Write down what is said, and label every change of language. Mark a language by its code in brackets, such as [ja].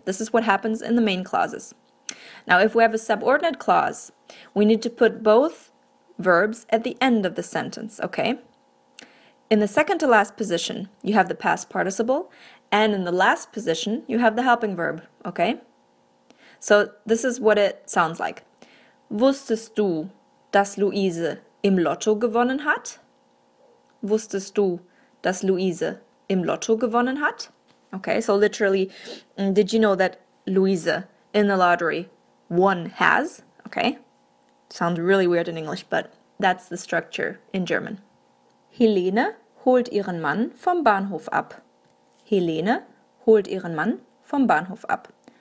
[en] This is what happens in the main clauses. Now, if we have a subordinate clause, we need to put both verbs at the end of the sentence, okay? In the second to last position, you have the past participle, and in the last position, you have the helping verb, okay? So this is what it sounds like. [de] Wusstest du, dass Luise im Lotto gewonnen hat? Wusstest du, dass Luise im Lotto gewonnen hat? [en] Okay, so literally, did you know that Luise in the lottery won has? Okay, sounds really weird in English, but that's the structure in German. [de] Helene holt ihren Mann vom Bahnhof ab. Helene holt ihren Mann vom Bahnhof ab.